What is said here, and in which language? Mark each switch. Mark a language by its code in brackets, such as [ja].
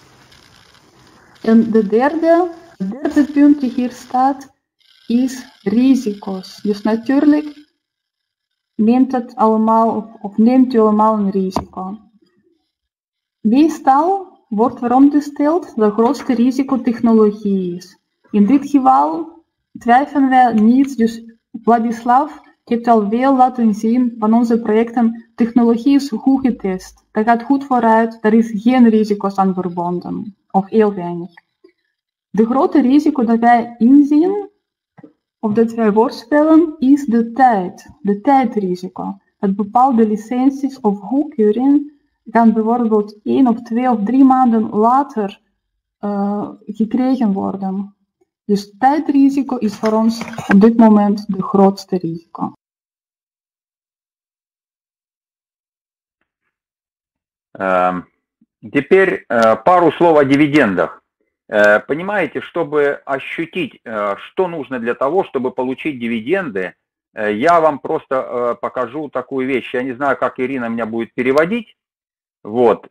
[ru] И третий пункт здесь стоит из рисков. То есть, конечно, берете все риски. [nl] Meestal wordt verondersteld dat het grootste risico technologie is. In dit geval twijfelen wij niet, dus Vladislav heeft alweer laten zien van onze projecten technologie is goed getest. Dat gaat goed vooruit, daar is geen risico's aan verbonden, of heel weinig. De grote risico dat wij inzien, of dat wij voorspellen, is de tijd, de tijdrisico. Dat bepaalde licenties of goedkeuring gaan bijvoorbeeld 1 of 2 of 3 maanden later gekregen worden. Dus tijdrisico is voor ons op dit moment de grootste risico. [ru] Теперь пару слов о дивидендах. Понимаете, чтобы ощутить, что нужно для того, чтобы получить дивиденды, я вам просто покажу такую вещь. Я не знаю, как Ирина меня будет переводить, вот.